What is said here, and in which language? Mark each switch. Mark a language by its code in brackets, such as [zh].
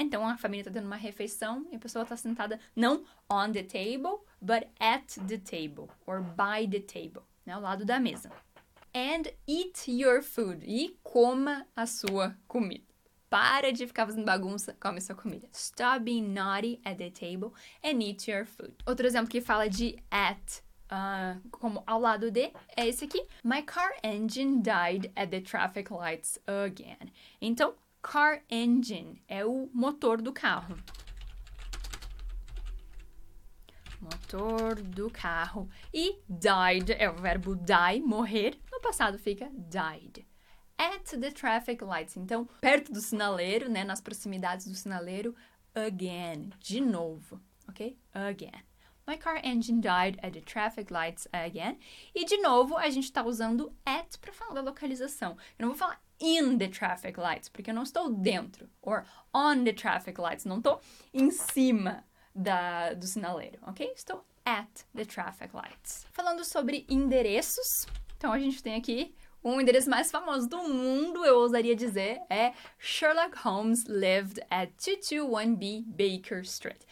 [pt] Então, a família está tendo uma refeição e a pessoa está sentada não [en] on the table, but at the table [pt] or by the table, né? Ao lado da mesa. [en] And eat your food. [pt] E coma a sua comida. Para de ficar fazendo bagunça, come sua comida. [en] Stop being naughty at the table and eat your food. [pt] Outro exemplo que fala de at, como ao lado de, é esse aqui. [en] My car engine died at the traffic lights again. [pt] Então, car engine é o motor do carro. Motor do carro. E died é o verbo die, morrer. No passado fica died. [en] At the traffic lights, [pt] então, perto do sinaleiro, né, nas proximidades do sinaleiro, again, de novo, ok? Again. [en] My car engine died at the traffic lights again. [pt] E, de novo, a gente está usando at para falar da localização. Eu não vou falar [en] in the traffic lights, [pt] porque eu não estou dentro. [en] Or on the traffic lights, [pt] não estou em cima do sinaleiro, ok? Estou [en] at the traffic lights. [pt] Falando sobre endereços, então a gente tem aqui um endereço mais famoso do mundo, eu ousaria dizer, é [en] Sherlock Holmes lived at 221B Baker Street.